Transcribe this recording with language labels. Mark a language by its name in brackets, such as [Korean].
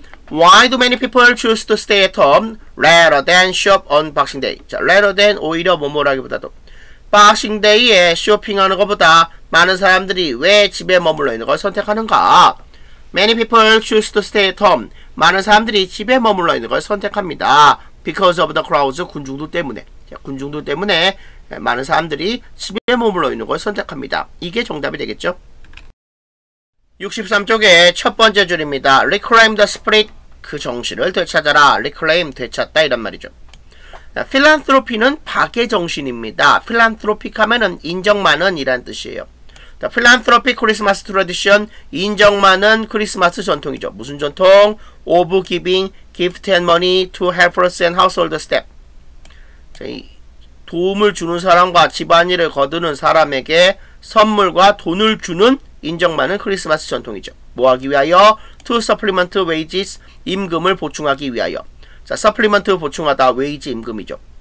[English] why do many people choose to stay at home rather than shop on boxing day? [Korean] 자, rather than 오히려 뭐뭐라기보다도 박싱데이에 쇼핑하는 것보다 많은 사람들이 왜 집에 머물러 있는 걸 선택하는가? [English] Many people choose to stay at home. [Korean] 많은 사람들이 집에 머물러 있는 걸 선택합니다. [English] Because of the crowds, [Korean] 군중들 때문에. 자, 군중들 때문에 많은 사람들이 집에 머물러 있는 걸 선택합니다. 이게 정답이 되겠죠? 63쪽에 첫 번째 줄입니다. [English] Reclaim the spirit. [Korean] 그 정신을 되찾아라. Reclaim, 되찾다 이런 말이죠. Philanthropy는 박의 정신입니다. Philanthropic 하면은 인정만은 이란 뜻이에요. [English] The philanthropic Christmas tradition, [Korean] 인정만은 크리스마스 전통이죠. 무슨 전통? [English] Of giving gift and money to helpers and household staff. [Korean] 도움을 주는 사람과 집안일을 거두는 사람에게 선물과 돈을 주는 인정만은 크리스마스 전통이죠. 뭐 하기 위하여? [English] To supplement wages, [Korean] 임금을 보충하기 위하여. 자, supplement 보충하다, wage 임금이죠.